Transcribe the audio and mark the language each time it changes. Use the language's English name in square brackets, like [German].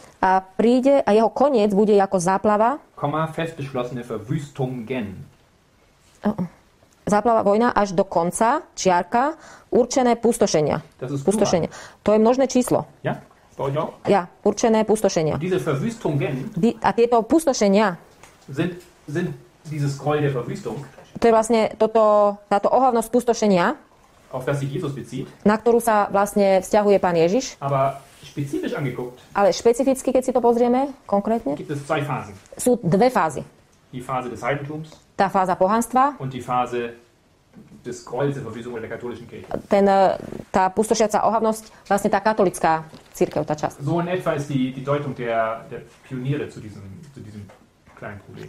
[Slovak] A príde a jeho koniec bude ako záplava. [German] Komma, festbeschlossene Verwüstungen. [Slovak] Záplava vojna až do konca, čiarka, určené pustošenia. Pustošenia. To je množné číslo. [German] Ja? [Slovak] Ja, určené pustošenia. [German] Diese Verwüstungen. [Slovak] A tieto pustošenia. [German] Sind dieses Scroll der Verwüstung. [Slovak] To je vlastne toto, táto ohavnosť pustošenia. [German] Auf das sich Jesus bezieht. [Slovak] Na ktorú sa vlastne vzťahuje Pán Ježiš. [German] Aber spezifisch angeguckt. [Slovak] Ale špecificky, keď si to pozrieme, konkrétne. [German] Gibt es zwei Phasen. [Slovak] Sú dve fázy. [German] Die Phase des Heidentums. [Slovak] Tá fáza pohanstva. [German] Und die Phase des Kreuzes der Verwüstung der katholischen Kirche. [Slovak] Ten, tá pustošiaca ohavnosť, vlastne tá katolická cirkev, tá časť. [German] So in etwa ist die Deutung der Pioniere zu diesem kleinen Problem.